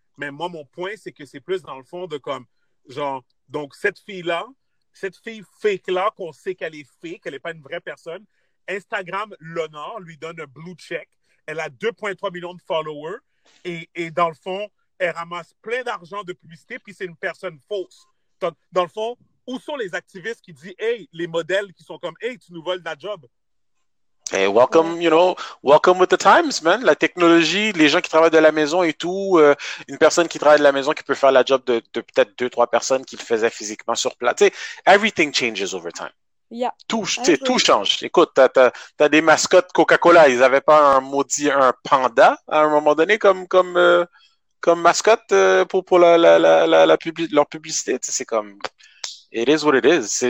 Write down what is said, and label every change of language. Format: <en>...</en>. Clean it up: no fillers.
<fr>Mais moi, mon point, c'est que c'est plus dans le fond de comme, genre, donc cette fille fake-là, qu'on sait qu'elle est fake, qu'elle n'est pas une vraie personne, Instagram l'honore, lui donne un blue check. Elle a 2,3 millions de followers et dans le fond, elle ramasse plein d'argent de publicité puis c'est une personne fausse. Donc, dans le fond, où sont les activistes qui disent « Hey, les modèles qui sont comme « Hey, tu nous voles la job ».</fr> <en>Hey, welcome, you know, welcome with the times, man.</en> <fr>La technologie, les gens qui travaillent de la maison et tout, une personne qui travaille de la maison qui peut faire la job de peut-être 2-3 personnes qui le faisaient physiquement sur place. Tu sais,</fr> <en>everything changes over time. Yeah.</en> <fr>Tout change. Écoute, t'as des mascottes Coca-Cola, ils avaient pas un panda à un moment donné comme mascotte pour leur publicité. Tu sais, c'est comme,</fr> <en>It is what it is.</en>